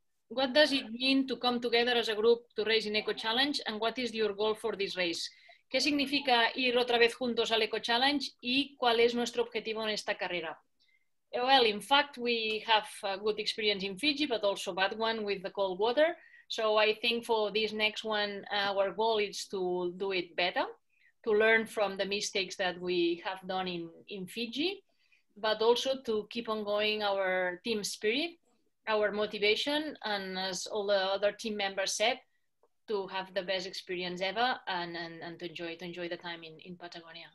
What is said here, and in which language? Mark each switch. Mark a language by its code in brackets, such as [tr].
[en] What does it mean to come together as a group to race in EcoChallenge, and what is your goal for this race? [es] ¿Qué significa ir otra vez juntos al EcoChallenge y cuál es nuestro objetivo en esta carrera? [en] Well, in fact, we have a good experience in Fiji, but also bad one with the cold water. So I think for this next one, our goal is to do it better, to learn from the mistakes that we have done in Fiji, but also to keep on going our team spirit, our motivation, and as all the other team members said, to have the best experience ever and to enjoy the time in Patagonia.